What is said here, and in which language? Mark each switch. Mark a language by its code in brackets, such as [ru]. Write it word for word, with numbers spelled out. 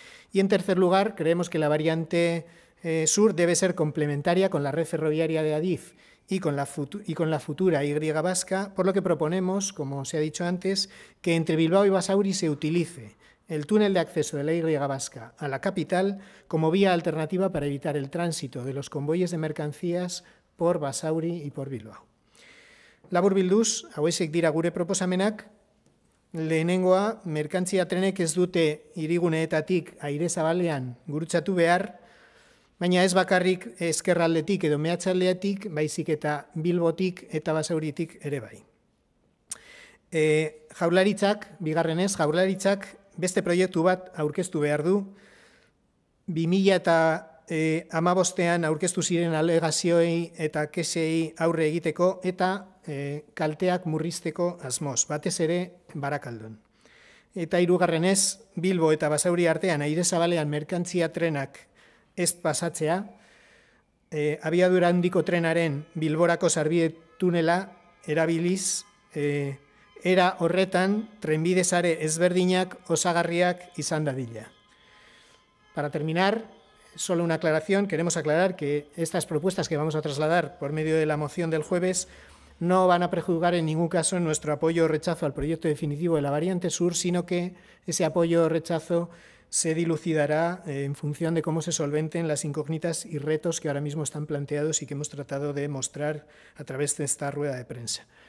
[es] Y en tercer lugar, creemos que la variante eh, sur debe ser complementaria con la red ferroviaria de Adif y con, la futu- y con la futura Y vasca, por lo que proponemos, como se ha dicho antes, que entre Bilbao y Basauri se utilice el túnel de acceso de la Y vasca a la capital como vía alternativa para evitar el tránsito de los convoyes de mercancías por Basauri y por Bilbao. [eu] Laburbilduz, hauexek dira gure proposamenak, lehenengoa merkantzia trenek ez dute hiriguneetatik aire zabalean gurutzatu behar, baina ez bakarrik ezkerraldetik edo meatzaldeatik, baizik eta Bilbotik eta Basauritik ere bai. E, jaurlaritzak, bigarrenez, jaurlaritzak beste proiektu bat aurkeztu behar du, bi mila hamabostean aurkeztu ziren alegazioei eta kesei aurre egiteko eta e, kalteak murrizteko asmoz, batez ere Barakaldon. Eta hirugarrenez, Bilbo eta Basauri artean aire zabalean merkantzia trenak ez pasatzea, e, abiadura handiko trenaren Bilborako sarbide tunela erabiliz, e, era horretan trenbide sare ezberdinak osagarriak izan dadila. [es] Para terminar, solo una aclaración. Queremos aclarar que estas propuestas que vamos a trasladar por medio de la moción del jueves no van a prejuzgar en ningún caso en nuestro apoyo o rechazo al proyecto definitivo de la variante sur, sino que ese apoyo o rechazo se dilucidará en función de cómo se solventen las incógnitas y retos que ahora mismo están planteados y que hemos tratado de mostrar a través de esta rueda de prensa.